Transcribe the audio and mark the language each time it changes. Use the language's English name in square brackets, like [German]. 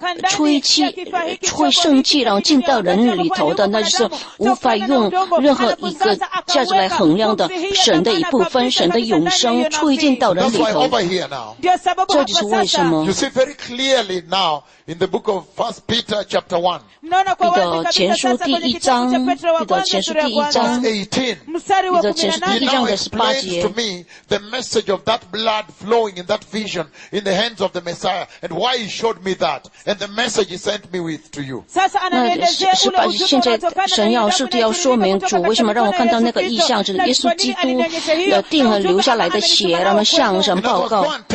[Chinese] 出于进到人里头的，那就是无法用任何一个价值来衡量的神的一部分、神的永生出于进到人里头。这就是为什么。 [English] You see very clearly now in the book of 1 Peter chapter [Chinese] 1. 彼得前书第一章 18. [English] Explains to me the message of that blood flowing in that vision in the hands of the Messiah and why he showed me that and the message he sent me with to you. [Chinese] 18现在神要速度要说明主为什么让我看到那个异象，就是耶稣基督的钉和流下来的血，让他向神报告。